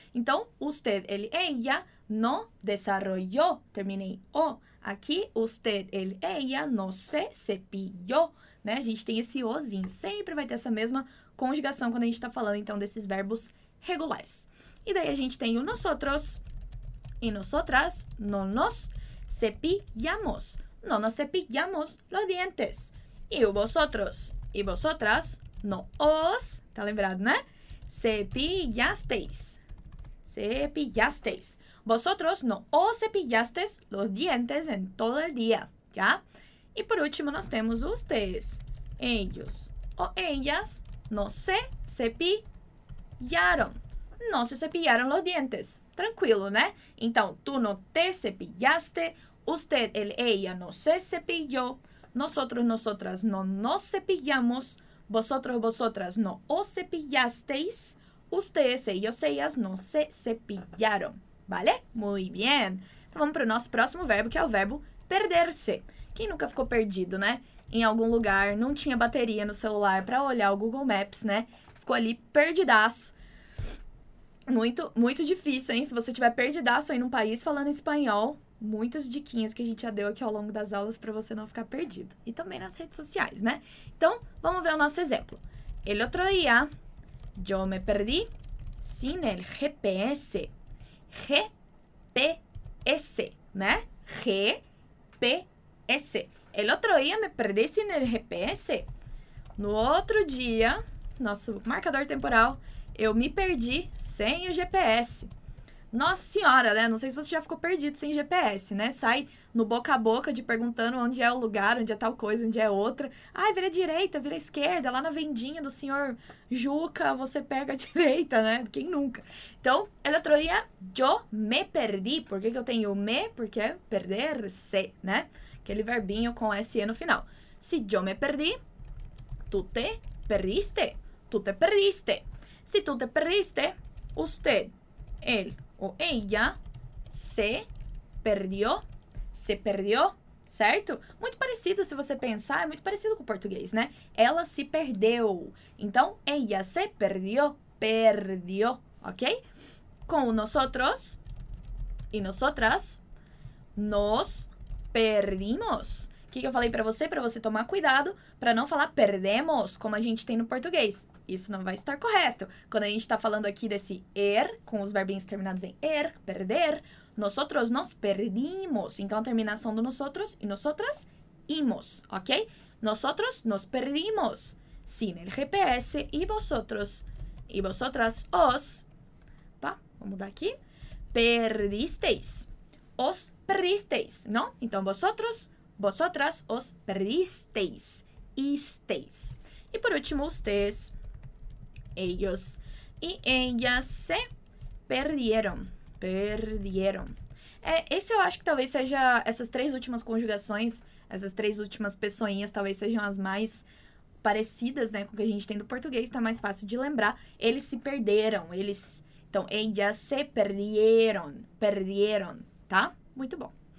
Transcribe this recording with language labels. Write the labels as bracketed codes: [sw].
[es] Então, usted, él, ella, no desarrolló, [pt] termina em o. Aqui, usted, él, ella, [es] no se cepilló, [pt] né? A gente tem esse ozinho, sempre vai ter essa mesma conjugação quando a gente está falando, então, desses verbos regulares. E daí a gente tem o nosotros [es] y nosotras no nos cepillamos. No nos cepillamos los dientes. Y vosotros y vosotras no os, ¿está verdad, ¿no? Cepillasteis. Cepillasteis. Vosotros no os cepillasteis los dientes en todo el día, ¿ya? Y por último nos tenemos ustedes. Ellos o ellas no se cepillaron. No se cepillaron los dientes. Tranquilo, ¿no? Entonces, tú no te cepillaste. Usted, él, ella no se cepilló. Nosotros, nosotras no nos cepillamos. Vosotros, vosotras no os cepillasteis. Ustedes, ellos, ellas no se cepillaron. ¿Vale? Muy bien. [pt] Então, vamos para o nosso próximo verbo, que é o verbo perder-se. Quem nunca ficou perdido, né? Em algum lugar, não tinha bateria no celular para olhar o Google Maps, né? Ficou ali perdidaço. Muito, muito difícil, hein? Se você tiver perdidaço aí num país falando espanhol, muitas diquinhas que a gente já deu aqui ao longo das aulas para você não ficar perdido. E também nas redes sociais, né? Então, vamos ver o nosso exemplo. [es] El otro día, yo me perdí sin el GPS. [pt] GPS, né? GPS. [es] El otro día me perdí sin el GPS. [pt] No outro dia, nosso marcador temporal, eu me perdi sem o GPS. Nossa senhora, né? Não sei se você já ficou perdido sem GPS, né? Sai no boca a boca de perguntando onde é o lugar, onde é tal coisa, onde é outra. Ai, vira à direita, vira à esquerda, lá na vendinha do senhor Juca, você pega a direita, né? Quem nunca? Então, [es] el otro día, yo me perdí. [pt] Por que que eu tenho me? Porque é perder-se, né? Aquele verbinho com SE no final. [es] Si yo me perdí, tú te perdiste. Tú te perdiste. Si tú te perdiste, usted, él o ella se perdió, certo? [pt] Muito parecido, se você pensar, é muito parecido com o português, né? Ela se perdeu. Então, [es] ella se perdió, perdió, [pt] ok? Com nosotros e nosotras, [es] nos perdimos. [pt] O que eu falei para você? Para você tomar cuidado para não falar perdemos, como a gente tem no português. Isso não vai estar correto. Quando a gente está falando aqui desse er, com os verbinhos terminados em er, perder, [es] nosotros nos perdimos. [pt] Então, a terminação do nosotros e nosotras, imos, ok? [es] Nosotros nos perdimos sin el GPS y vosotras os, pá, [pt] vou mudar aqui, [es] perdisteis, os perdisteis, não? Então, vosotros, vosotras os perdisteis, isteis. [pt] E por último, ustedes. [es] Ellos y ellas se perdieron. Perdieron. [pt] É, esse eu acho que talvez seja... Essas três últimas conjugações, essas três últimas pessoinhas, talvez sejam as mais parecidas, né, com o que a gente tem do português. Tá mais fácil de lembrar. Eles se perderam. Eles... Então, [es] ellas se perdieron. Perdieron. [pt] Tá? Muito bom.